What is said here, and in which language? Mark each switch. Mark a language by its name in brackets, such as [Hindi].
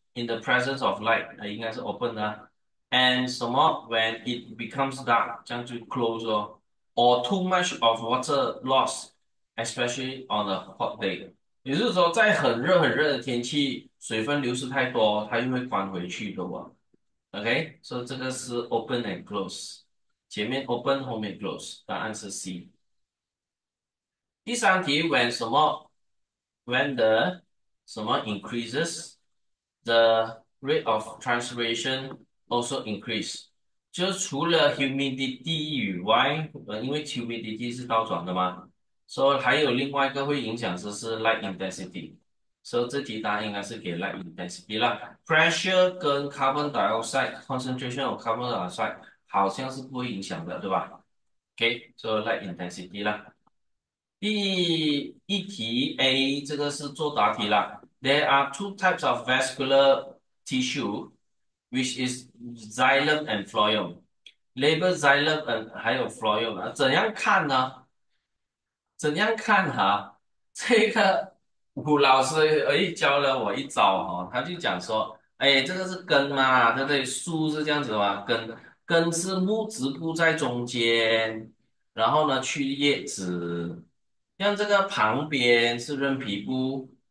[English] In the presence of light， [Chinese] 它应该是 [English] open 的。 And 什么？When it becomes dark，这样就 close 哦。 Or too much of water loss，especially on a hot day。 [Chinese] 也就是说，在很热的天气，水分流失太多，它就会关回去的哦。 OK，所以这个是 [English] open and close， [Chinese] 前面 open，后面 close，答案是 C。 [English] 第三题，When 什么？When the 什么 increases？ The rate of transpiration also increase， [Chinese] 就除了 humidity 以外，因为 humidity 是倒转的嘛，所以还有另外一个会影响是 light intensity，所以这题答案应该是给 light intensity 啦。 [English] Pressure 跟 carbon dioxide concentration of carbon dioxide [Chinese] 好像是不会影响的，对吧？ [English] OK，所、so、以 light intensity 啦。 [Chinese] 第一题 A 这个是作答题啦。 [English] There are two types of vascular tissue, which is xylem and phloem. Label xylem and 还有 phloem 啊？ [Chinese] 怎样看呢？怎样看哈、啊？这个吴老师哎教了我一招哦，他就讲说，哎，这个是根嘛，对不对？树是这样子嘛，根是木质部在中间，然后呢去叶子，像这个旁边是韧皮部。